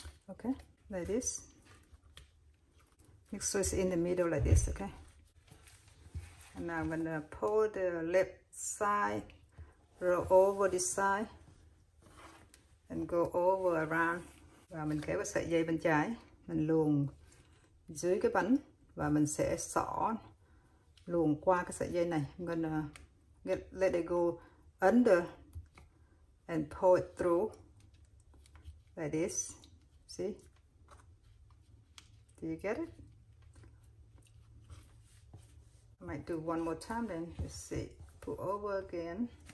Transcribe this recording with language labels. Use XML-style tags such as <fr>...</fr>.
<en>Okay, like this. Make sure it's in the middle like this, okay? And now I'm gonna pull the left side, roll over this side, and go over around.</en> <vi>Và mình kéo cái sợi dây bên trái. Mình luồn dưới cái bánh và mình sẽ xỏ luồn qua cái sợi dây này.</vi> <en>I'm gonna let it go under and pull it through like this. See? Do you get it? I might do one more time then. Let's see. Pull over again.</en>